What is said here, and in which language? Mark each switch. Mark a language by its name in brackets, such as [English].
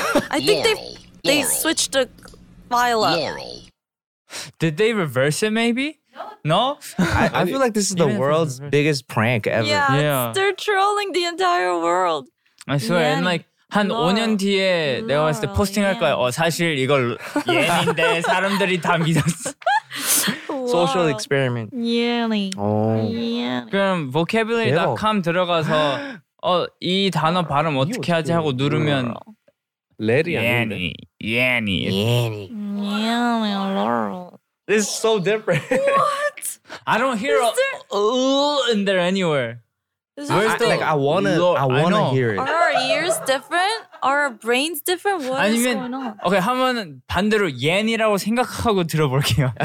[English] I think they switched the file up. Did they reverse it maybe? No? I feel like this is the world's biggest prank ever. Yeah. They're trolling the entire world. I swear, and like, 한 Laurel. [Korean] 5년 뒤에 내가 왔을 때 포스팅할 거야. 사실 이걸 옌인데 사람들이 다 믿었어. [English] Social experiment. Yanny. Oh. [Korean] 그럼 vocabulary.com 들어가서 이 단어 발음 어떻게 하지 하고 누르면 레리 아닌데 [English] Yanny. Yanny. Yanny. Laurel. It's so different. What? I don't hear in there anywhere. Where's the like I wanna hear it. Are our ears different? Are our brains different? What [Korean] 아니면, [English] is going on? [Korean] Okay, 한번 반대로 Yanny라고 생각하고 들어볼게요.